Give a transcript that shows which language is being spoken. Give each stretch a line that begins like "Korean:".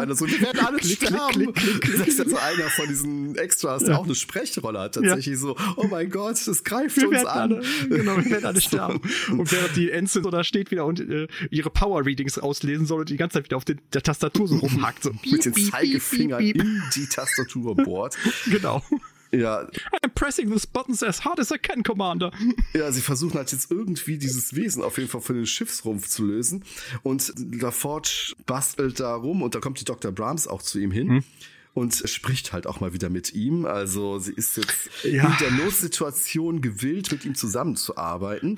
German: Einer so, die werden alle sterben. Das ist ja so einer von diesen Extras, der auch eine Sprechrolle hat. Tatsächlich so, oh mein Gott, das greift. Wir werden alle sterben. Und während die Enzel so da steht wieder und ihre Power-Readings auslesen soll und die ganze Zeit wieder auf der Tastatur so rumhackt. So mit den Zeigefingern in die Tastatur bohrt. Genau. Ja.
English: I'm pressing these buttons as hard as I can, Commander.
German: Ja, sie versuchen halt jetzt irgendwie dieses Wesen auf jeden Fall für den Schiffsrumpf zu lösen. Und LaForge bastelt da rum und da kommt die Dr. Brahms auch zu ihm hin. Und spricht halt auch mal wieder mit ihm. Also sie ist jetzt in der Notsituation gewillt, mit ihm zusammenzuarbeiten.